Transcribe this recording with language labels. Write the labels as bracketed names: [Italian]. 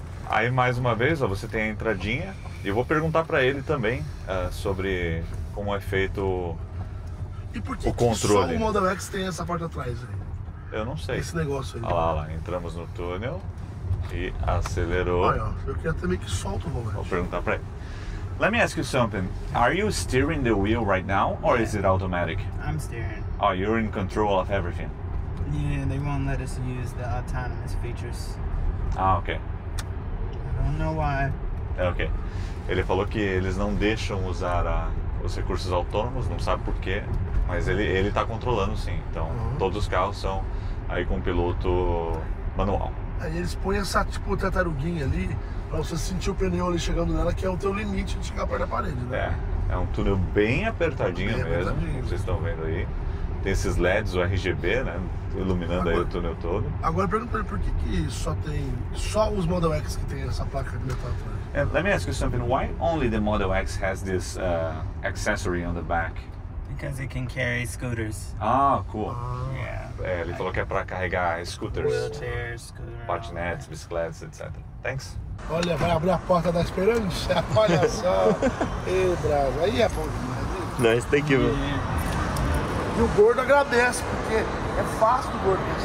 [Portuguese] Aí, mais uma vez, ó, você tem a entradinha. E eu vou perguntar para ele também sobre como é feito o controle. E por que só o Model X tem essa porta atrás aí? Eu não sei. Esse negócio aí. Olha lá, entramos no túnel e acelerou. Olha, eu queria também que solta o volante. Vou perguntar para ele. [English] Let me ask you something. Are you steering the wheel right now or is it automatic? I'm steering. Oh, you're in control of everything. Yeah, they won't let us use the autonomous features. Ah, okay. I don't know why. [Portuguese] É, ok. Ele falou que eles não deixam usar os recursos autônomos, não sabe por quê, mas ele está controlando, sim. Então, todos os carros são aí com piloto manual. Aí eles põem essa, tipo, tartaruguinha ali, para você sentir o pneu ali chegando nela, que é o teu limite de chegar perto da parede, né? É um túnel bem apertadinho mesmo, como vocês estão vendo aí. Tem esses LEDs, o RGB, né, iluminando agora, aí o túnel todo. Agora, pergunta pra ele, por que que só os Model X que tem essa placa de metal atrás? [English] And let me ask you something. Why only the Model X has this accessory on the back? Because it can carry scooters. Ah, cool. Yeah. [Portuguese] É, ele falou que é para carregar scooters, [English] wheelchairs, [Portuguese] patinetes, bicicletas, etc. [English] Thanks. [Portuguese] Olha, vai abrir a porta da esperança. Olha só. Ei, Brasa. Aí é bom demais. [English] Nice, thank you. [Portuguese] E o gordo agradece, porque é fácil o gordo.